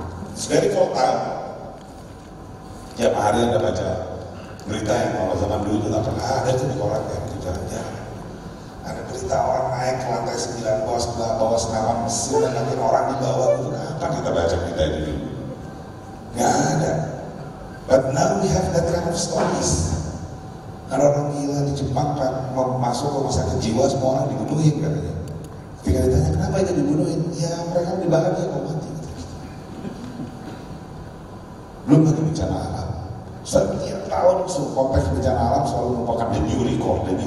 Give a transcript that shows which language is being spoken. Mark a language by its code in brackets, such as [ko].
[en] It's very volatile. [id] Tiap hari Anda baca berita yang kalau zaman dulu tidak pernah ada itu di koran ya, itu jarang-jarang. Ada berita orang naik ke lantai 9 bawah sebelah bawah senapan mesin dan lagi orang di bawah itu kenapa kita baca berita itu dulu? Gak ada. [en] But now we have that kind of stories. [id] Karena orang gila di Jepang kan mau masuk ke rumah sakit jiwa semua orang dibunuhin katanya. Ketika ditanya kenapa itu dibunuhin? Ya mereka dibahagia kok mati. Belum lagi bencana alam. Setiap tahun konteks bencana alam selalu merupakan [en] the new record.